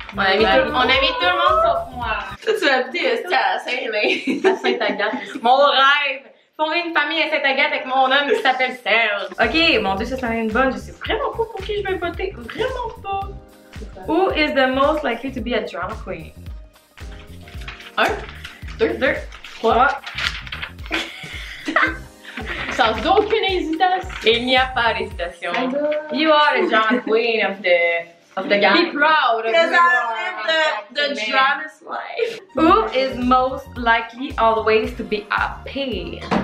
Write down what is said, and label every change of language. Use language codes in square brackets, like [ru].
[fr] On a mis tout le monde sauf moi. Ça, tu vas dire, c'est à Saint-Agathe. Mon rêve! Fonder une famille à Saint-Agathe avec mon homme qui s'appelle Serge. Ok, mon dieu, ça serait une bonne. Je sais vraiment pas pour qui je vais voter. Vraiment pas. [en] Who is the most likely to be a drama queen? 1, 2, 3. [fr] Sans aucune hésitation. Il n'y a pas d'hésitation. [en] You are the drama queen of the gang. Be proud of because I live the drama's life. Who is most likely always to be happy?